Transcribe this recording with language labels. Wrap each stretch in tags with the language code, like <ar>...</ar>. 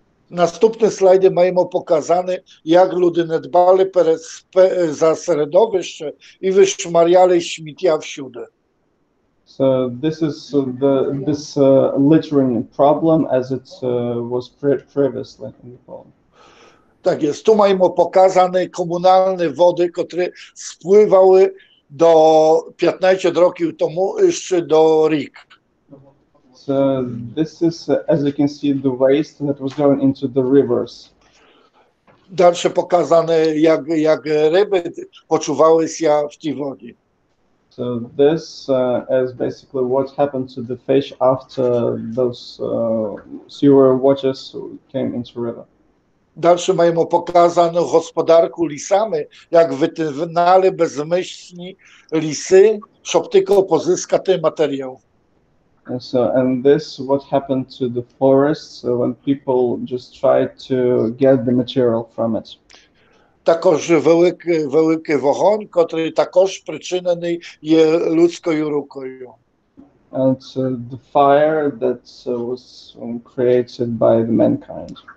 <uk>Наступні слайди маємо показане, як люди не дбали за середовище і вишмаряли сміття всюди.</uk> <en>So this is this littering problem as it was previously in the poem.</en> <uk>Так, тут маємо показане комунальні води, котрі спливали до 15 років тому ще до рік.</uk> <en>So this is, as you can see, the waste that was going into the rivers.</en> <uk>Далі показане, як риби почувалися в тій воді.</uk> <en>So this is basically what happened to the fish after those sewer waters came into the river.</en> <uk>Далі маємо показану господарку лісами, як витинали безмисні ліси, щоб тільки позискати матеріал.</uk> <en>So, and this what happened to the forests so when people just tried to get the material from it.</en> <uk>Також великий вогонь, котрий також причинений є людською рукою.</uk> <en>And so the fire that was created by the mankind.</en>